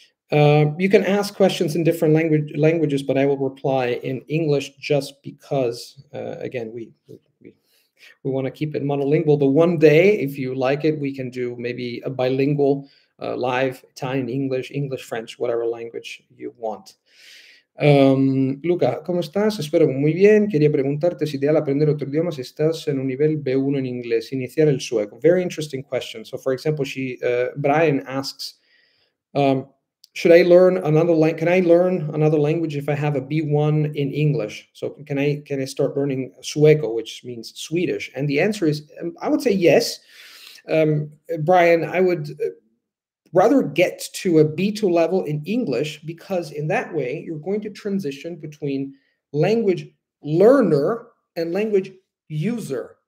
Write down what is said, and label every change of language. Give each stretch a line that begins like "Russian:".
English: You can ask questions in different languages, but I will reply in English just because, again, we want to keep it monolingual. But one day, if you like it, we can do maybe a bilingual live Italian, English, English, French, whatever language you want.
Spanish: Luca, ¿cómo estás? Espero muy bien. Quería preguntarte si ideal aprender otro idioma si estás en un nivel B1 en inglés, iniciar el sueco.
English: Very interesting question. So, for example, Brian asks, should I learn another language? Can I learn another language if I have a B1 in English? So can I start learning sueco, which means Swedish? And the answer is, I would say yes. Brian, I would rather get to a B2 level in English, because in that way you're going to transition between language learner and language user.